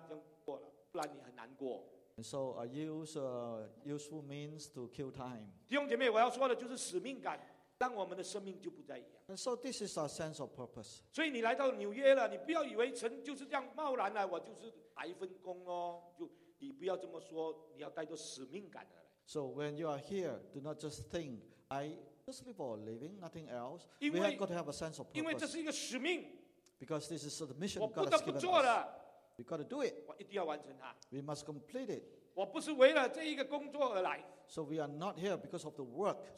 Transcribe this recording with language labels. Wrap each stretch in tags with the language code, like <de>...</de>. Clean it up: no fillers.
<zh>所以我每次的时候，我就享受看看书，慢慢享受，哦，看看人家就过了，不然你很难过。</zh> <en>And so I use useful means to kill time.</en> <zh>弟兄姐妹，我要说的就是使命感，让我们的生命就不再一样。</zh> <en>And so this is our sense of purpose.</en> <zh>所以你来到纽约了，你不要以为神就是这样贸然来，我就是来一份工哦，就你不要这么说，你要带着使命感而来。</zh> <en>So when you are here, do not just think I just live for a living, nothing else.</en> <zh>因为,</zh> <en>we have got to have a sense of purpose.</en> <zh>因为这是一个使命。</zh> <en>Because this is the mission God has given us. We got to do it.</en> <zh>我一定要完成它。</zh> <en>We must complete it.</en> <zh>我不是为了这一个工作而来。</zh> <en>So we are not here because of the work.</en>